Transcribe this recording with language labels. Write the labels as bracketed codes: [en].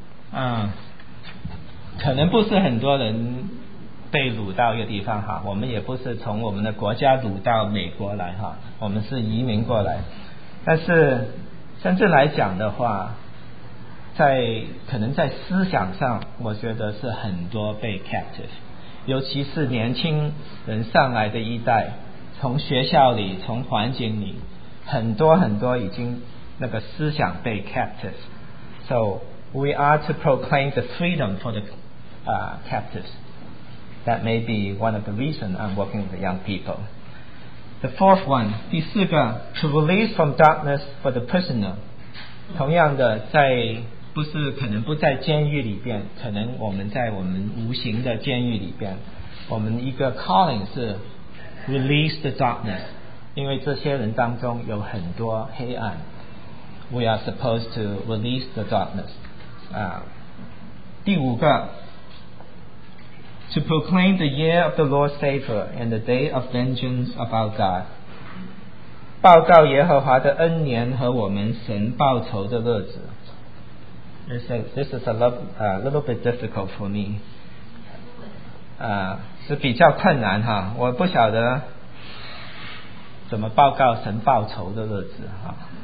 [zh] 可能不是很多人被掳到一个地方我们也不是从我们的国家掳到美国来我们是移民过来，但是甚至来讲的话，在可能在思想上我觉得是很多被 captive， 尤其是年轻人上来的一代，从学校里从环境里很多很多已经那个思想被 captive。 [en] So we are to proclaim the freedom for the captives. That may be one of the reasons I'm working with the young people. The fourth one, [zh] 第四个, [en] to release from darkness for the prisoner. [zh] 同样的在不是可能不在监狱里边，可能我们在我们无形的监狱里边，我们一个 calling 是 [en] release the darkness， [zh] 因为这些人当中有很多黑暗。 [en] We are supposed to release the darkness. [zh] 第五个 [en] to proclaim the year of the Lord's favor and the day of vengeance of our God. [zh] 报告耶和华的恩年和我们神报仇的日子。 [en] This is a little bit difficult for me. [zh] 是比较困难哈，我不晓得怎么报告神报仇的日子哈。